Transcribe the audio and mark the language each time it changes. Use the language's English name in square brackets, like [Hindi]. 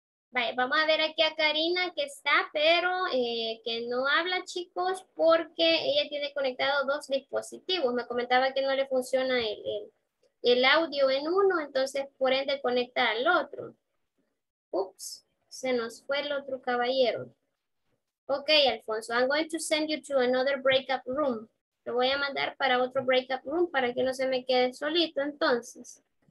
[Spanish] Vale, vamos a ver aquí a Karina que está, pero que no habla, chicos, porque ella tiene conectado dos dispositivos. Me comentaba que no le funciona el audio en uno, entonces por ende conecta al otro. Ups, se nos fue el otro caballero. [English] Ok, Alfonso, I'm going to send you to another breakout room. [Spanish] Lo voy a mandar para otro breakout room para que no se me quede solito, entonces.